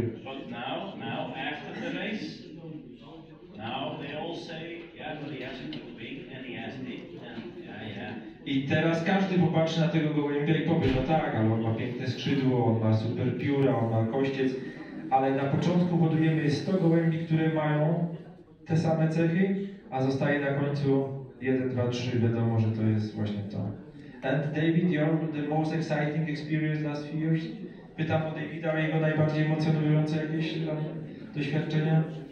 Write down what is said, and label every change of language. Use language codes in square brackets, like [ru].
[en] But now after the race, now they all say, yeah, but he has it too big and he has it, and yeah. [pl] I teraz każdy popatrzy na tego gołębia i powie, no tak, ale on ma piękne skrzydło, on ma super pióra, on ma kościec. Ale na początku hodujemy 100 gołębi, które mają te same cechy, a zostaje na końcu 1, 2, 3, wiadomo, że to jest właśnie to. [en] And David, the most exciting experience last few years? [pl] Pytam o Davida, o jego najbardziej emocjonujące jakieś doświadczenia?